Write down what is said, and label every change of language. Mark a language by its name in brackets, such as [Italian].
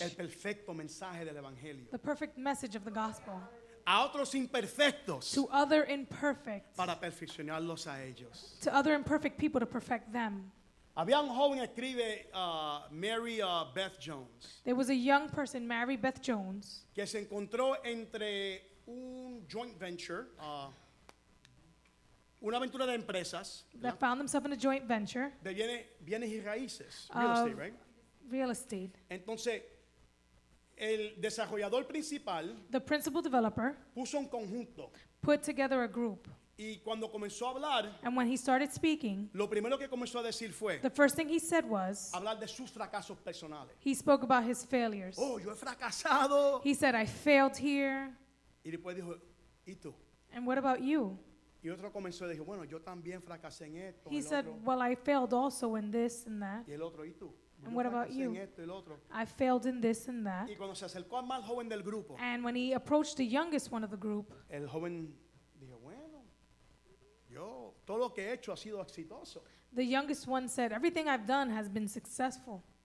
[Spanish] El perfecto mensaje del evangelio. [English] The perfect message of the gospel. [Spanish] A otros imperfectos. [English] To other imperfect. [Spanish] Para perfeccionarlos a ellos. [English] To other imperfect people to perfect them. [Spanish] Había un joven, escribe Mary Beth Jones. [English] There was a young person, Mary Beth Jones, [Spanish] que se encontró entre un joint venture, una aventura de empresas, [English] that, [Spanish] ¿verdad?, [English] found themselves in a joint venture, [Spanish] de bienes y raíces, [English] real estate, right? Real estate. [Spanish] Entonces, el desarrollador principal, [English] the principal developer, [Spanish] puso un conjunto, [English] put together a group. [Spanish] Y cuando comenzó a hablar, [English] and when he started speaking, [Spanish] lo primero que comenzó a decir fue, [English] the first thing he said was, [Spanish] hablar de sus fracasos personales. [English] He spoke about his failures. [Spanish] Oh, yo he fracasado. [English] He said, I failed here. [Spanish] Y después dijo, ¿y tú? [English] And what about you? [Spanish] Y otro comenzó a decir, bueno, yo también fracasé en esto. [English] He said, well, I failed also in this and that. [Spanish] Y el otro, ¿y tú? [English] And what about you? I failed in this and that. [Spanish] Y cuando se acercó al más joven del grupo, [English] and when he approached the youngest one of the group, [Spanish] el joven dijo, bueno, yo, todo lo que he hecho ha sido exitoso. [English] The youngest one said, everything I've done has been successful.